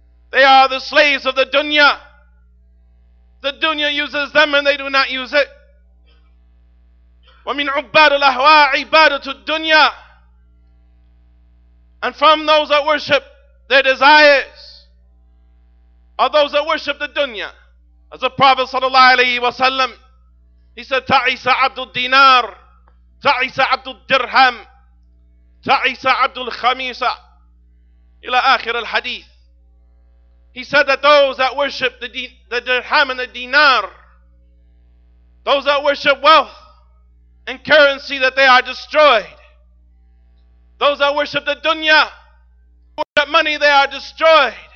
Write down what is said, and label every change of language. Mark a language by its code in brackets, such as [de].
[en] They are the slaves of the dunya. The dunya uses them and they do not use it. [ar] وَمِنْ عُبَّادُ الْأَهْوَىٰ عِبَادَةُ الدُّنْيَا. [en] And from those that worship their desires are those that worship the dunya. As the Prophet sallallahu alayhi wa sallam, he said, [ar] تَعِسَ عَبْدُ الدِّنَارِ تعيس عبد الدرهم تعيس عبد الخميسة إلى آخر الحديث. [en] He said that those that worship the dirham and the dinar, those that worship wealth and currency, that they are destroyed. Those that worship the dunya, worship money, they are destroyed.